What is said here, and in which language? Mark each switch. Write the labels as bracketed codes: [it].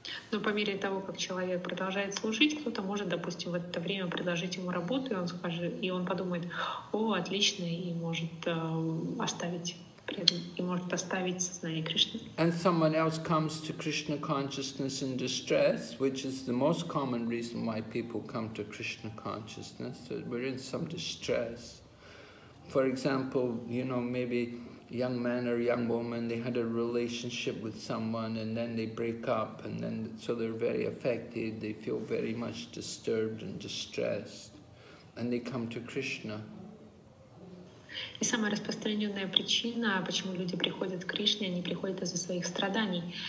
[ru] Но по мере того, как человек продолжает служить, кто-то может, допустим, в это время предложить ему работу, и он скажет, и он подумает, о, отлично, и может оставить сознание Кришны. [en] And someone else comes to Krishna consciousness in distress, which is the most common reason why people come to Krishna consciousness, that we're in some distress. For example, you know, maybe young man or young woman, they had a relationship with someone and then they break up, and then so they're very affected, they feel very much disturbed and distressed, and they come to Krishna. [ru] И самая распространенная причина, почему люди приходят к Кришне, они приходят из-за своих страданий.